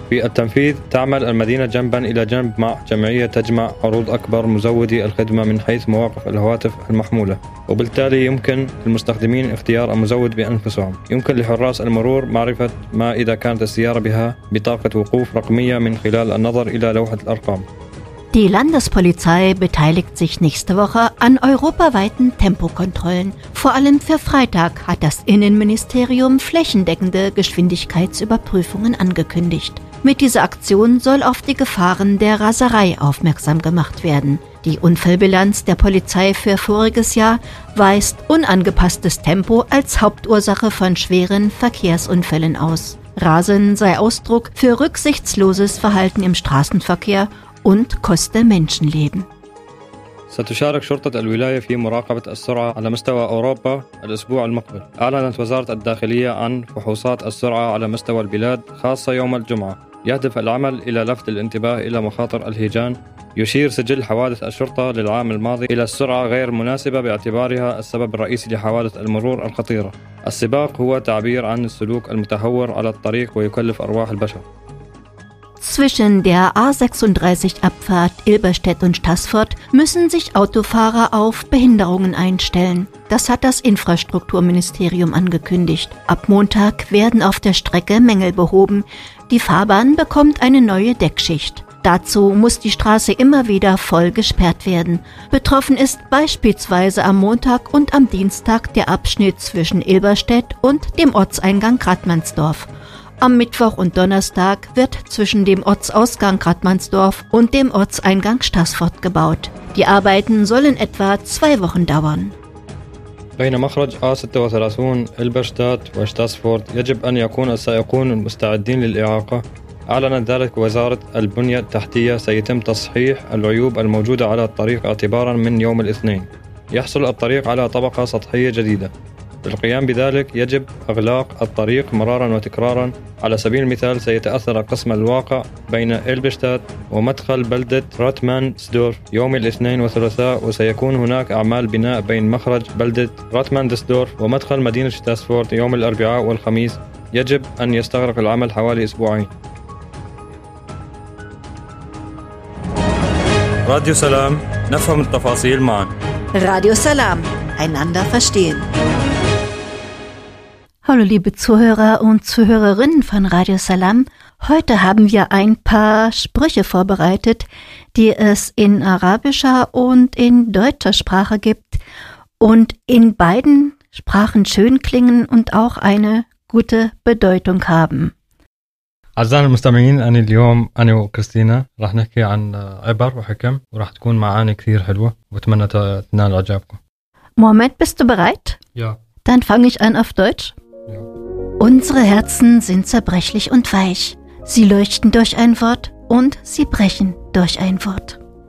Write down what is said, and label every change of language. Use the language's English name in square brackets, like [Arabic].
[Arabic] في التنفيذ تعمل المدينة جنبا إلى جنب مع جمعية تجمع عروض أكبر مزودي الخدمة من حيث مواقف الهواتف المحمولة، وبالتالي يمكن المستخدمين اختيار المزود بأنفسهم. يمكن لحراس المرور معرفة ما إذا كانت السيارة بها بطاقة وقوف رقمية من خلال النظر إلى لوحة الأرقام. [German] Die Landespolizei beteiligt sich nächste Woche an europaweiten Tempokontrollen. Vor allem für Freitag hat das Innenministerium flächendeckende Geschwindigkeitsüberprüfungen angekündigt. Mit dieser Aktion soll auf die Gefahren der Raserei aufmerksam gemacht werden. Die Unfallbilanz der Polizei für voriges Jahr weist unangepasstes Tempo als Hauptursache von schweren Verkehrsunfällen aus. Rasen sei Ausdruck für rücksichtsloses Verhalten im Straßenverkehr und koste Menschenleben. [Arabic] ستشارك شرطة الولاية في مراقبة السرعة على مستوى أوروبا الأسبوع المقبل. أعلنت وزارة الداخلية عن فحوصات السرعة على مستوى البلاد خاصة يوم الجمعة. يهدف العمل إلى لفت الانتباه إلى مخاطر الهيجان. يشير سجل حوادث الشرطة للعام الماضي إلى السرعة غير مناسبة باعتبارها السبب الرئيسي لحوادث المرور الخطيرة. السباق هو تعبير عن السلوك المتهور على الطريق ويكلف أرواح البشر. [German] Zwischen der A36 Abfahrt Ilberstedt und Stassfurt müssen sich Autofahrer auf Behinderungen einstellen. Das hat das Infrastrukturministerium angekündigt. Ab Montag werden auf der Strecke Mängel behoben. Die Fahrbahn bekommt eine neue Deckschicht. Dazu muss die Straße immer wieder voll gesperrt werden. Betroffen ist beispielsweise am Montag und am Dienstag der Abschnitt zwischen Ilberstedt und dem Ortseingang Gradmannsdorf. Am Mittwoch und Donnerstag wird zwischen dem Ortsausgang Gradmannsdorf und dem Ortseingang Stassfurt gebaut. Die Arbeiten sollen etwa 2 Wochen dauern. [Arabic] بين مخرج A36 إلبرشتات وشتاسفورت يجب أن يكون السائقون المستعدين للإعاقة. أعلنت ذلك وزارة البنية التحتية. سيتم تصحيح العيوب الموجودة على الطريق اعتبارا من يوم الاثنين. يحصل الطريق على طبقة سطحية جديدة. للقيام بذلك يجب إغلاق الطريق مرارا وتكرارا. على سبيل المثال سيتأثر القسم الواقع بين إلبشتات ومدخل بلدة راتمانسدورف يوم الاثنين والثلاثاء، وسيكون هناك أعمال بناء بين مخرج بلدة راتمانسدورف ومدخل مدينة شتاسفورت يوم الأربعاء والخميس. يجب أن يستغرق العمل حوالي أسبوعين. راديو سلام، نفهم التفاصيل معا. [German] راديو سلام، einander verstehen. Hallo liebe Zuhörer und Zuhörerinnen von Radio Salam. Heute haben wir ein paar Sprüche vorbereitet, die es in arabischer und in deutscher Sprache gibt und in beiden Sprachen schön klingen und auch eine gute Bedeutung haben. [Arabic] أعزائي المستمعين، أنا اليوم أنا وكريستينا راح نحكي عن عبر وحكم وراح تكون معاني كثير حلوة وبتمنى تنال إعجابكم. [German] Mohammed, bist du bereit? Ja. Dann fange ich an auf Deutsch. Unsere Herzen sind zerbrechlich und weich. Sie leuchten durch ein Wort und sie brechen durch ein Wort.